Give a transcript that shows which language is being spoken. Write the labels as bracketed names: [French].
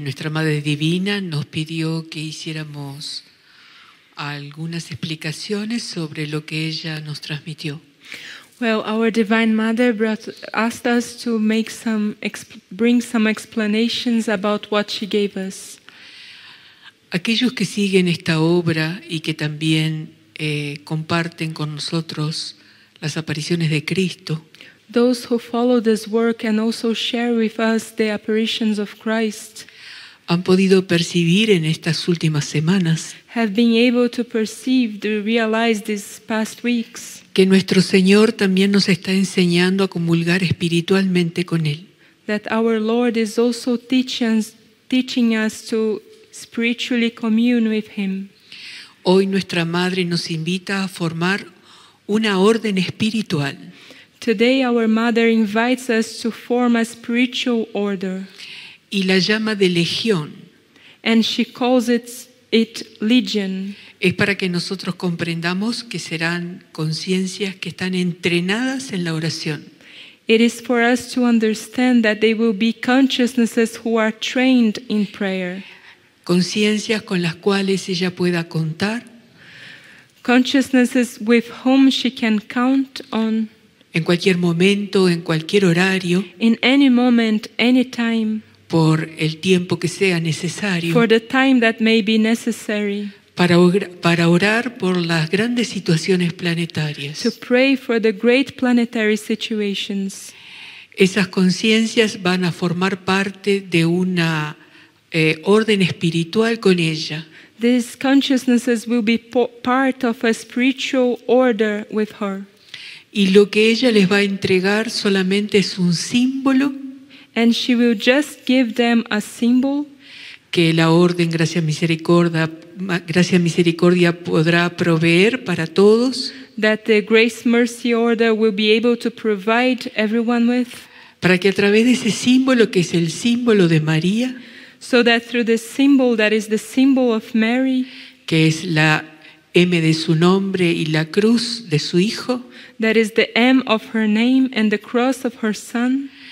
[Spanish] Madre Divina nos pidió que hiciéramos algunas explicaciones sobre lo que ella nos transmitió. [English] Well, our Divine Mother asked us to make some bring some explanations about what she gave us. [Spanish] Aquellos que siguen esta obra y que también comparten con nosotros las apariciones de Cristo. [English] Those who follow this work and also share with us the apparitions of Christ. [Spanish] Han podido percibir en estas últimas semanas [English] have been able to perceive, to realize these past weeks, [Spanish] que nuestro Señor también nos está enseñando a comulgar espiritualmente con Él. [English] That our Lord is also teaching us to spiritually commune with Him. [Spanish] Hoy nuestra Madre nos invita a formar una orden espiritual. [English] Today our Mother invites us to form a spiritual order. [Spanish] Y la llama de legión. [English] And she calls it legion. [Spanish] Es para que nosotros comprendamos que serán conciencias que están entrenadas en la oración. [English] It is for us to understand that they will be consciousnesses who are trained in prayer. [Spanish] Conciencias con las cuales ella pueda contar. [English] Consciousnesses with whom she can count on. [Spanish] En cualquier momento, en cualquier horario. [English] In any moment, any time. [Spanish] Por el tiempo que sea necesario. [English] For the time that may be necessary. [Spanish] Para orar por las grandes situaciones planetarias. [English] To pray for the great planetary situations. [Spanish] Esas conciencias van a formar parte de una orden espiritual con ella. [English] These consciousnesses will be part of a spiritual order with her. [Spanish] Y lo que ella les va a entregar solamente es un símbolo. [English] And she will just give them a symbol. [Spanish] Que la orden Gracia Misericordia podrá proveer para todos. [English] That the Grace Mercy Order will be able to provide everyone with. [Spanish] Para que a través de ese símbolo, que es el símbolo de María, [English] so that through the symbol that is the symbol of Mary, [Spanish] que es la M de su nombre y la cruz de su hijo, [English] that is the M of her name and the cross of her son,